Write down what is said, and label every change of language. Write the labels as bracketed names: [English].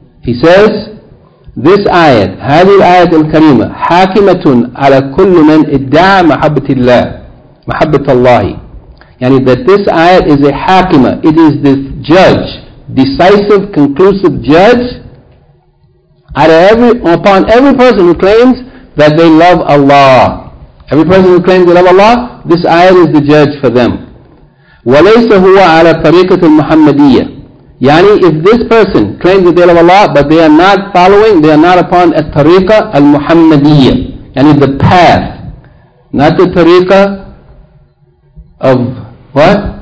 [English] He says, this ayat, [Arabic] هذه الآية الكريمة حاكمة على كل من ادعى محبة الله محبة الله. [English] Yani that this ayat is a hakima, it is this judge, decisive, conclusive judge upon every person who claims that they love Allah. Every person who claims they love Allah, this ayat is the judge for them. [Arabic] وليس هو على طريقة المحمدية. [English] Yani if this person claims that they love Allah but they are not following, they are not upon a tariqa al-Muhammadiyya, yani the path, not the tariqa of what?